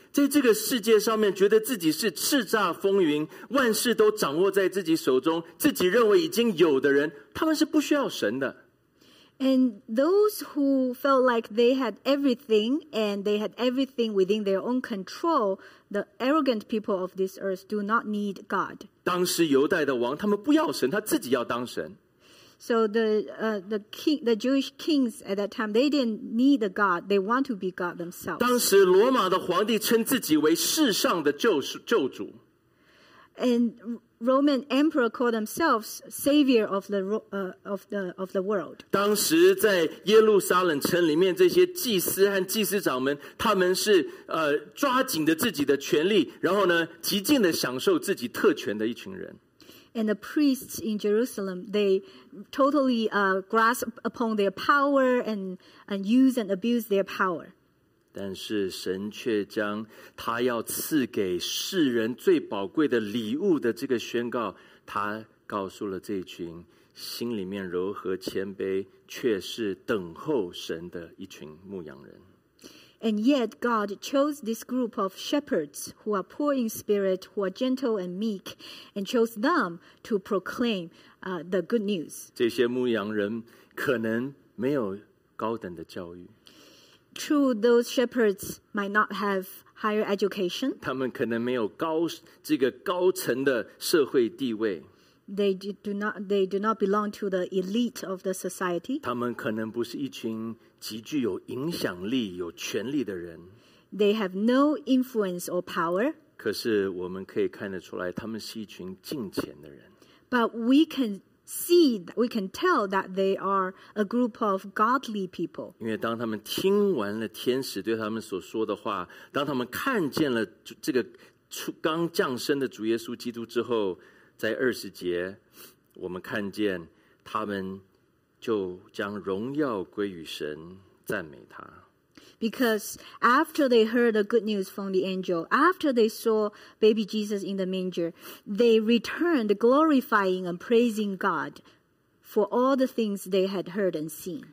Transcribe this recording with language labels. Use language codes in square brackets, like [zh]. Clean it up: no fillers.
[zh] 在这个世界上面觉得自己是叱咤风云，万事都掌握在自己手中，自己认为已经有的人，他们是不需要神的。 [en] And those who felt like they had everything, and they had everything within their own control, the arrogant people of this earth do not need God. [zh] 当时犹太的王，他们不要神，他自己要当神。 [en] So the king, the Jewish kings at that time, they didn't need a God. They want to be God themselves. [zh] 当时罗马的皇帝称自己为世上的救主。 [en] And Roman emperor called themselves savior of the world. [zh] 当时在耶路撒冷城里面，这些祭司和祭司长们，他们是抓紧着自己的权力，然后呢，极尽的享受自己特权的一群人。 [en] And the priests in Jerusalem, they totally grasp upon their power and use and abuse their power. [zh] 但是神却将他要赐给世人最宝贵的礼物的这个宣告，他告诉了这群心里面柔和谦卑，却是等候神的一群牧羊人。 [en] And yet God chose this group of shepherds who are poor in spirit, who are gentle and meek, and chose them to proclaim the good news. [zh] 这些牧羊人可能没有高等的教育。 [en] True, those shepherds might not have higher education. [zh] 他们可能没有高层的社会地位。 [en] They do not belong to the elite of the society. [zh] 他们可能不是一群极具有影响力、有权力的人。 [en] They have no influence or power. [zh] 可是我们可以看得出来，他们是一群敬虔的人。 [en] But we can tell that they are a group of godly people. [zh] 因为当他们听完了天使对他们所说的话，当他们看见了这个刚降生的主耶稣基督之后。在二十节，我们看见他们就将荣耀归于神，赞美他。 [en] Because after they heard the good news from the angel, after they saw baby Jesus in the manger, they returned glorifying and praising God for all the things they had heard and seen.